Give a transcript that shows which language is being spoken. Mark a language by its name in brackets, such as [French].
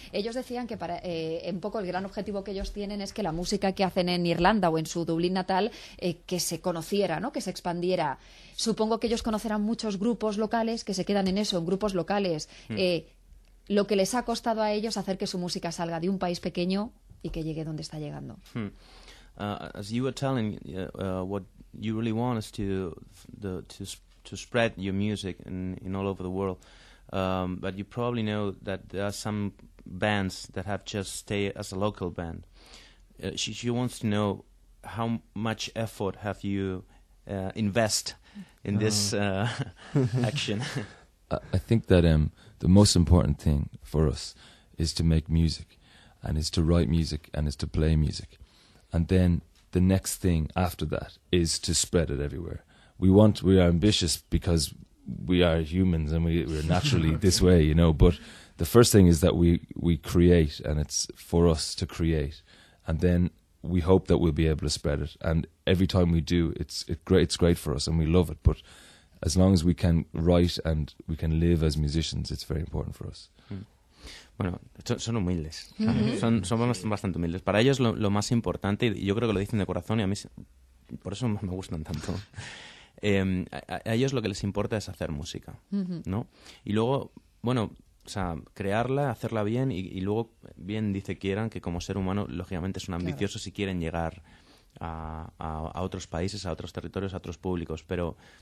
[Spanish] Ellos decían que para un poco el gran objetivo que ellos tienen es que la música que hacen en Irlanda o en su Dublín natal, que se conociera, ¿no? Que se expandiera. Supongo que ellos conocerán muchos grupos locales que se quedan en eso, en grupos locales. Lo que les ha costado a ellos hacer que su música salga de un país pequeño y que llegue donde está llegando. [English] As you were telling, what you really want is to spread your music in all over the world. But you probably know that there are some bands that have just stayed as a local band. She wants to know how much effort have you invest in this action. I think that the most important thing for us is to make music, and is to write music, and is to play music. And then the next thing after that is to spread it everywhere. We are ambitious because we are humans and we're naturally this way, you know. But the first thing is that we create, and it's for us to create. And then we hope that we'll be able to spread it. And every time we do, it's great for us and we love it. But as long as we can write and we can live as musicians, it's very important for us. [Spanish] Bueno, son humildes. Son bastante humildes. Para ellos lo más importante, y yo creo que lo dicen de corazón, y a mí por eso me gustan tanto. A ellos lo que les importa es hacer música, ¿no? Y luego, bueno, o sea, crearla, hacerla bien, y luego bien dice quieran, que como ser humano, lógicamente, son ambiciosos y quieren llegar a otros países, a otros territorios, a otros públicos, pero...